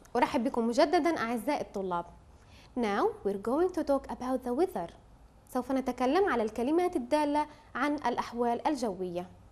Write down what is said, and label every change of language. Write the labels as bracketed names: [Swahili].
[Arabic] أرحب بكم مجدداً أعزائي الطلاب. [English] Now we're going to talk about the weather. [Arabic] سوف نتكلم على الكلمات الدالة عن الأحوال الجوية.